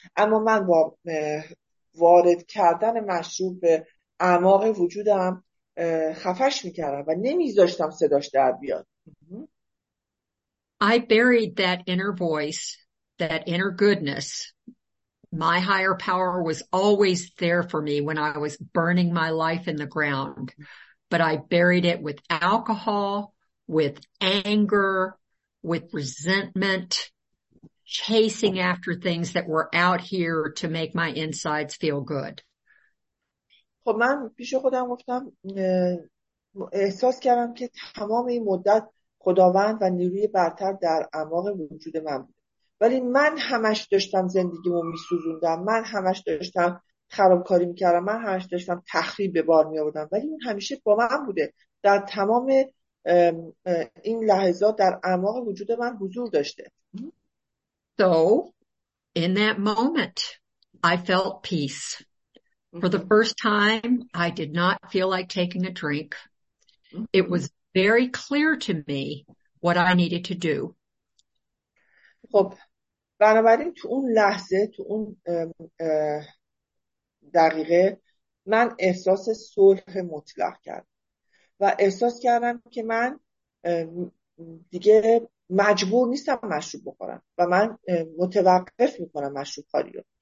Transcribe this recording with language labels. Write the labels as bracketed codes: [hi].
[fa] اما من با وارد کردن مشروب به اعماق وجودم خفش میکردم و نمیذاشتم صداش در بیاد. [en] I buried that inner voice, that inner goodness. My higher power was always there for me when I was burning my life in the ground. But I buried it with alcohol, with anger, with resentment, chasing after things that were out here to make my insides feel good. [fa] خب من پیش خودم گفتم احساس کردم که تمام این مدت خداوند و نیروی برتر در اعماق وجود من بود. ولی من همش داشتم زندگیمو می‌سوزوندم، من همش داشتم خرابکاری می‌کردم، من همش داشتم تخریب به بار می‌آوردم، ولی اون همیشه با من بوده. در تمام این لحظات در اعماق وجود من حضور داشته. [en] So, in that moment, I felt peace. For the first time, I did not feel like taking a drink. It was very clear to me what I needed to do. [fa] خب بنابراین تو اون لحظه، تو اون دقیقه من احساس صلح مطلق کردم و احساس کردم که من دیگه مجبور نیستم مشروب بخورم و من متوقف میکنم مشروب خوری رو.